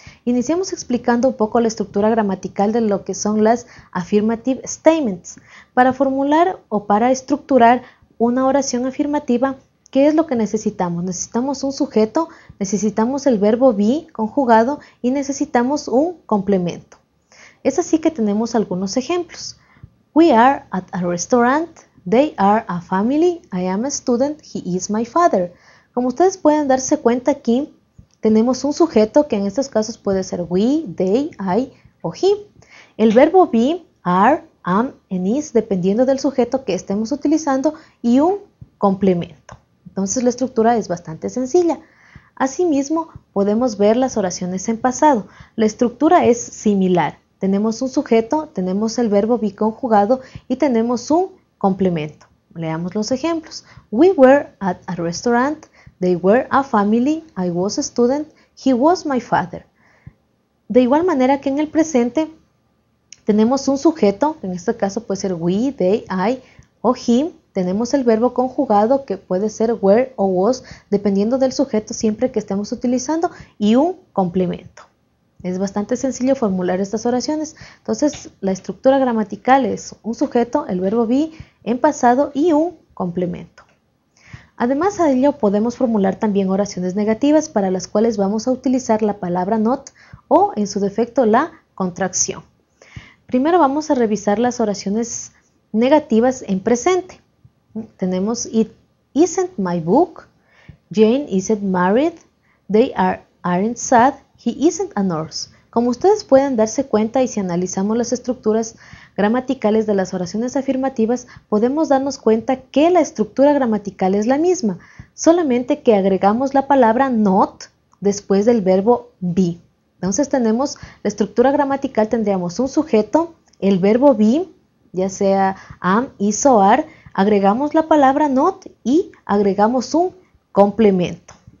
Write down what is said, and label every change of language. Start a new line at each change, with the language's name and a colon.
Spanish: Iniciamos explicando un poco la estructura gramatical de lo que son las affirmative statements. Para formular o para estructurar una oración afirmativa, ¿qué es lo que necesitamos? Necesitamos un sujeto, necesitamos el verbo be conjugado y necesitamos un complemento. Es así que tenemos algunos ejemplos.
English: We are at a restaurant, they are a family, I am a student, he is my father.
Spanish: Como ustedes pueden darse cuenta aquí, tenemos un sujeto que en estos casos puede ser we, they, I o he. El verbo be, are, am, and is, dependiendo del sujeto que estemos utilizando, y un complemento. Entonces la estructura es bastante sencilla. Asimismo, podemos ver las oraciones en pasado. La estructura es similar. Tenemos un sujeto, tenemos el verbo be conjugado y tenemos un complemento.
English: Leamos los ejemplos. We were at a restaurant. They were a family, I was a student, he was my father.
Spanish: De igual manera que en el presente tenemos un sujeto, en este caso puede ser we, they, I o he. Tenemos el verbo conjugado que puede ser were o was, dependiendo del sujeto siempre que estemos utilizando, y un complemento. Es bastante sencillo formular estas oraciones. Entonces la estructura gramatical es un sujeto, el verbo be en pasado y un complemento. Además a ello podemos formular también oraciones negativas para las cuales vamos a utilizar la palabra not o en su defecto la contracción. Primero vamos a revisar las oraciones negativas en presente.
English: Tenemos it isn't my book, Jane isn't married, they aren't sad, he isn't a nurse.
Spanish: Como ustedes pueden darse cuenta y si analizamos las estructuras gramaticales de las oraciones afirmativas, podemos darnos cuenta que la estructura gramatical es la misma, solamente que agregamos la palabra not después del verbo be. Entonces tenemos la estructura gramatical, tendríamos un sujeto, el verbo be, ya sea am, is o are, agregamos la palabra not y agregamos un complemento.